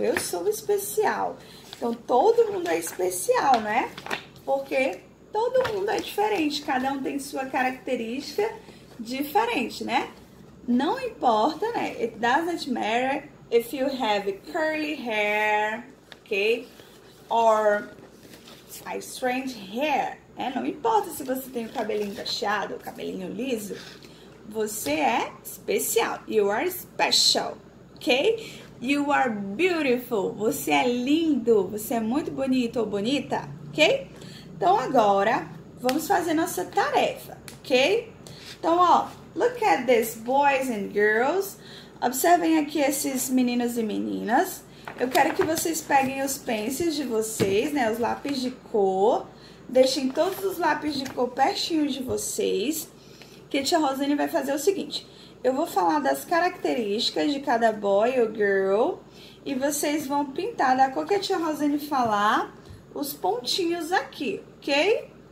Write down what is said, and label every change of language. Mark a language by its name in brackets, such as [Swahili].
[Portuguese] Eu sou especial. Então, todo mundo é especial, né? Porque todo mundo é diferente. Cada um tem sua característica diferente, né? Não importa, né? [English] It doesn't matter if you have curly hair, okay? Or a strange hair. [Portuguese] É, não importa se você tem o cabelinho cacheado, o cabelinho liso. Você é especial. [English] You are special, [Portuguese] ok? [English] You are beautiful. [Portuguese] Você é lindo. Você é muito bonito ou bonita, ok? Então, agora, vamos fazer nossa tarefa, ok? Então, ó, [English] look at these boys and girls. [Portuguese] Observem aqui esses meninos e meninas. Eu quero que vocês peguem os pencils de vocês, né? Os lápis de cor. Deixem todos os lápis de cor pertinho de vocês, que a tia Rosane vai fazer o seguinte. Eu vou falar das características de cada boy ou girl e vocês vão pintar da cor que a tia Rosane falar os pontinhos aqui, ok?